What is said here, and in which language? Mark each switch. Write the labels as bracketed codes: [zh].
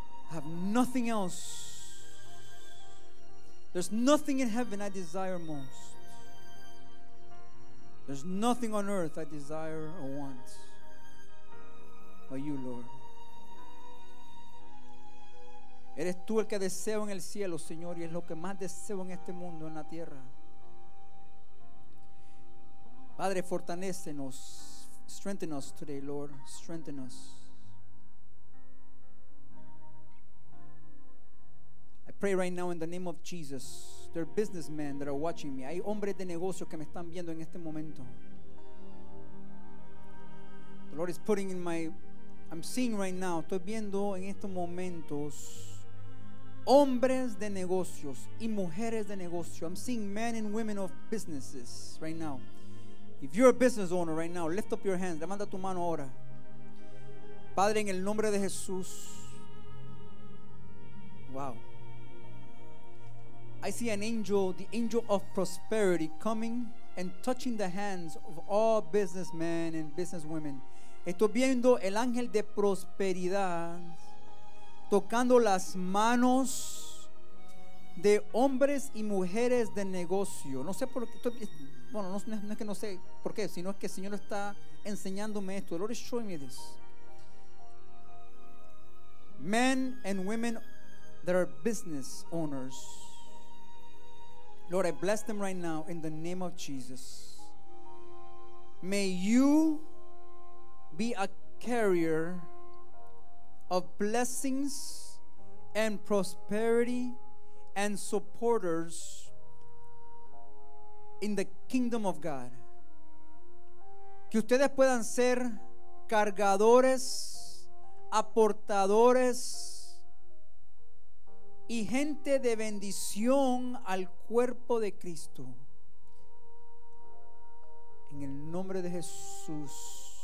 [en] I have nothing else. There's nothing in heaven I desire most. There's nothing on earth I desire or want but you, Lord. [es] Eres tú el que deseo en el cielo, Señor, y es lo que más deseo en este mundo, en la tierra. Padre, fortalecenos. [en] Strengthen us today, Lord. Strengthen us. I pray right now in the name of Jesus. There are businessmen that are watching me. [es] Hay hombres de negocios que me están viendo en este momento. [en] The Lord is putting in my, I'm seeing right now, [es] estoy viendo en estos momentos hombres de negocios y mujeres de negocio. [en] I'm seeing men and women of businesses right now. If you're a business owner right now, lift up your hands. [es] Levanta tu mano ahora. Padre, en el nombre de Jesús. [en] Wow. I see an angel, the angel of prosperity, coming and touching the hands of all businessmen and businesswomen. [es] Estoy viendo el ángel de prosperidad tocando las manos de hombres y mujeres de negocio. No sé por qué. Bueno, no es que no sé por qué, sino es que el Señor está enseñándome esto. [en] The Lord is showing me this. Men and women that are business owners. Lord, I bless them right now in the name of Jesus. May you be a carrier of blessings and prosperity and supporters in the kingdom of God. [es] Que ustedes puedan ser cargadores, aportadores y gente de bendición al cuerpo de Cristo. En el nombre de Jesús.